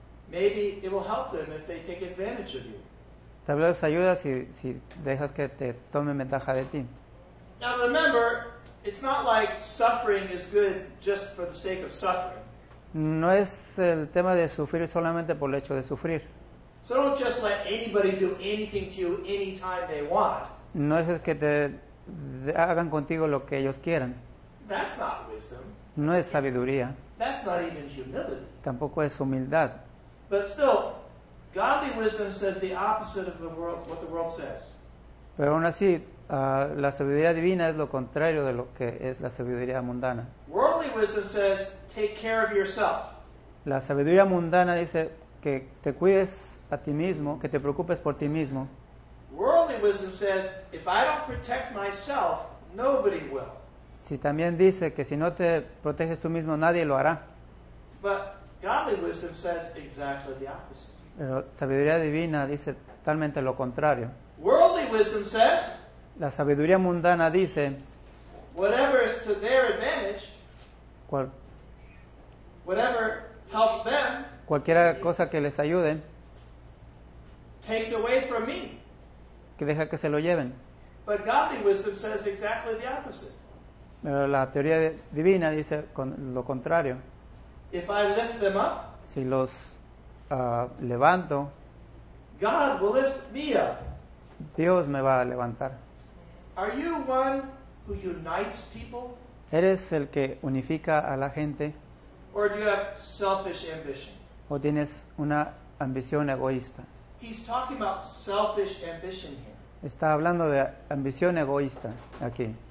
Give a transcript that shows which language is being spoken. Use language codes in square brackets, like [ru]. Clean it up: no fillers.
[en] Maybe it will help them if they take advantage of you. [es] Tal vez ayuda si dejas que te tomen ventaja de ti. [en] Now remember, it's not like suffering is good just for the sake of suffering. [es] No es el tema de sufrir solamente por el hecho de sufrir. [en] So don't just let anybody do anything to you anytime they want. [es] No es que te hagan contigo lo que ellos quieran. [en] That's not wisdom. [es] No es sabiduría. [en] That's not even humility. [es] Tampoco es humildad. [en] But still, godly wisdom says the opposite of the world, what the world says. [es] Pero aún así, La sabiduría divina es lo contrario de lo que es la sabiduría mundana. [en] Worldly wisdom says, take care of yourself. [es] La sabiduría mundana dice que te cuides a ti mismo, que te preocupes por ti mismo. [en] Worldly wisdom says, if I don't protect myself, nobody will. [es] Si también dice que si no te proteges tú mismo, nadie lo hará. [en] But godly wisdom says exactly the opposite. [es] Pero sabiduría divina dice totalmente lo contrario. [en] Worldly wisdom says, [es] la sabiduría mundana dice, [en] whatever is to their advantage, whatever helps them, [es] cualquiera cosa que les ayude, [en] takes away from me, [es] que deja que se lo lleven. [en] But godly wisdom says exactly the opposite. [es] Pero la teoría divina dice con lo contrario. [en] If I lift them up, [es] si los levanto, [en] God will lift me up. [es] Dios me va a levantar. [en] Are you one who unites people? [es] ¿Eres el que unifica a la gente? [en] Or do you have selfish ambition? [es] ¿O tienes una ambición egoísta? [en] He's talking about selfish ambition here. [es] Está hablando de ambición egoísta aquí.